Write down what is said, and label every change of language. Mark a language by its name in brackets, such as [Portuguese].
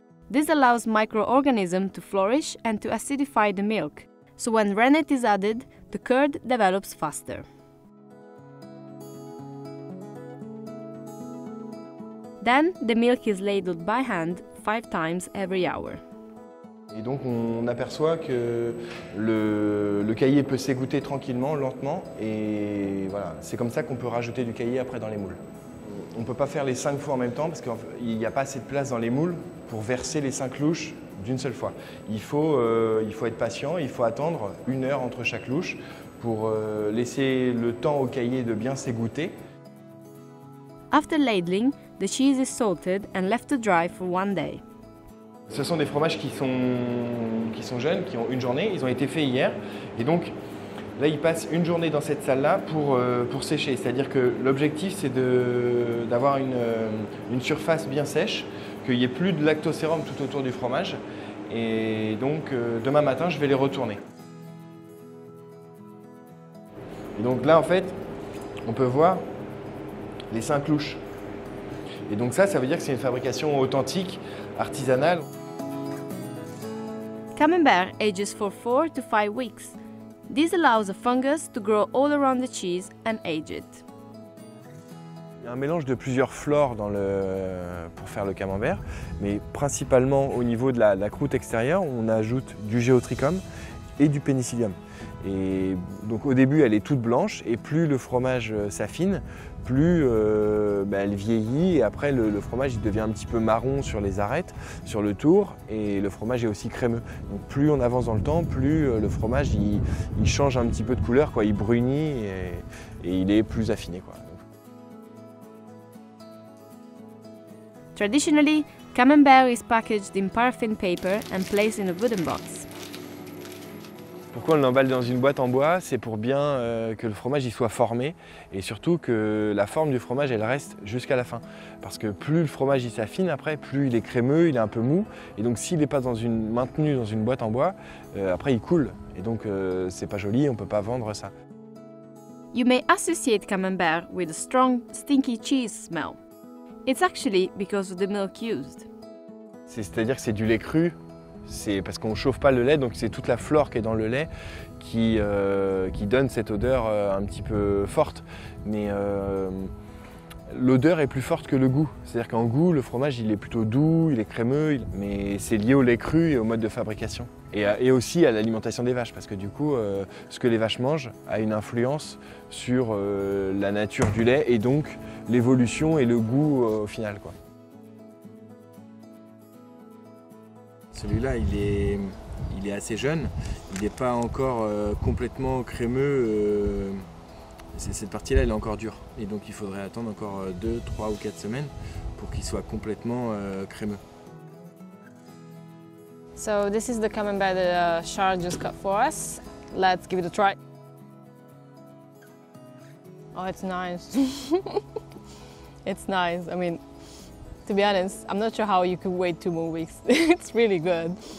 [English] This allows microorganisms to flourish and to acidify the milk, so when rennet is added, the curd develops faster. Then the milk is ladled by hand 5 times every hour. [French] Et donc on aperçoit que le caillé peut s'égoutter tranquillement, lentement, et voilà, c'est comme ça qu'on peut rajouter du caillé après dans les moules. On ne peut pas faire les 5 fois en même temps parce qu'il n'y a pas assez de place dans les moules pour verser les 5 louches d'une seule fois. Il faut être patient, il faut attendre 1 heure entre chaque louche pour laisser le temps au caillé de bien s'égoutter. [English] After ladling, the cheese is salted and left to dry for 1 day. [French] Ce sont des fromages qui sont jeunes, qui ont une journée, ils ont été faits hier. Et donc là, ils passent une journée dans cette salle-là pour sécher. C'est-à-dire que l'objectif, c'est d'avoir une surface bien sèche, qu'il n'y ait plus de lactosérum tout autour du fromage. Et donc demain matin, je vais les retourner. Et donc là, en fait, on peut voir les 5 louches. Et donc ça veut dire que c'est une fabrication authentique, artisanale. [English] Camembert ages for 4 to 5 weeks. This allows a fungus to grow all around the cheese and age it. [French] Il y a un mélange de plusieurs flores pour faire le camembert, mais principalement au niveau de la croûte extérieure, on ajoute du géotrichum et du pénicillium. Et donc au début, elle est toute blanche et plus le fromage s'affine, plus elle vieillit et après le fromage il devient un petit peu marron sur les arêtes, sur le tour, et le fromage est aussi crémeux. Donc plus on avance dans le temps, plus le fromage il change un petit peu de couleur, quoi. Il brunit et il est plus affiné, quoi. [English] Traditionally, Camembert is packaged in paraffin paper and placed in a wooden box. [French] Pourquoi on l'emballe dans une boîte en bois? C'est pour bien que le fromage y soit formé et surtout que la forme du fromage elle reste jusqu'à la fin. Parce que plus le fromage y s'affine après, plus il est crémeux, il est un peu mou. Et donc s'il n'est pas maintenu dans une boîte en bois, après il coule. Et donc c'est pas joli, on peut pas vendre ça. [English] You may associate Camembert with a strong, stinky cheese smell. It's actually because of the milk used. [French] C'est-à-dire que c'est du lait cru. C'est parce qu'on ne chauffe pas le lait, donc c'est toute la flore qui est dans le lait qui donne cette odeur un petit peu forte. Mais l'odeur est plus forte que le goût. C'est-à-dire qu'en goût, le fromage il est plutôt doux, il est crémeux, mais c'est lié au lait cru et au mode de fabrication. Et aussi à l'alimentation des vaches, parce que du coup, ce que les vaches mangent a une influence sur la nature du lait et donc l'évolution et le goût au final, quoi. Celui-là, il est assez jeune, il n'est pas encore complètement crémeux. Cette partie-là, elle est encore dure. Et donc, il faudrait attendre encore 2, 3 ou 4 semaines pour qu'il soit complètement crémeux. [English] So, this is the camembert that Charles just cut for us. Let's give it a try. Oh, it's nice. It's nice, I mean. To be honest, I'm not sure how you could wait 2 more weeks. It's really good.